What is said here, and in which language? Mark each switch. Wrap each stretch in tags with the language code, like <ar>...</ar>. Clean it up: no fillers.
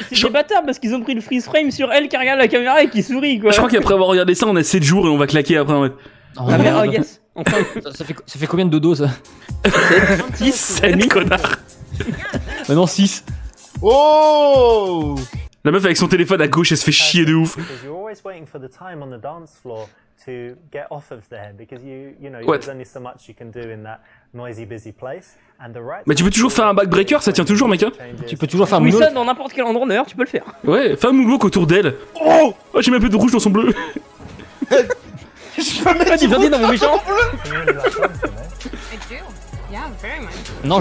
<fr>c'est bâtard parce qu'ils ont pris le freeze frame sur elle qui regarde la caméra et qui sourit quoi. Je crois qu'après avoir regardé ça, on a 7 jours et on va claquer après en fait. Oh, ah, merde. Mais,</fr> <en>oh yes.</en> <fr>Enfin, ça fait combien de dodo ça? 10, 7, connard. Maintenant 6. Oh! La meuf avec son téléphone à gauche, elle se fait chier de ouf.</fr> <en>You're always waiting for the time on the dance floor to get off of there because you know there's only so much you can do in that noisy busy place.</en> <fr>Mais tu peux toujours faire un backbreaker, ça tient toujours, mec. Hein. Tu peux toujours faire un moonwalk. Oui, ça dans n'importe quel endroit d'ailleurs, tu peux le faire. Ouais, fais un moonwalk autour d'elle. Oh, j'ai mis un peu de rouge dans son bleu. Je peux mettre du rouge dans mon bleu. Non,</fr>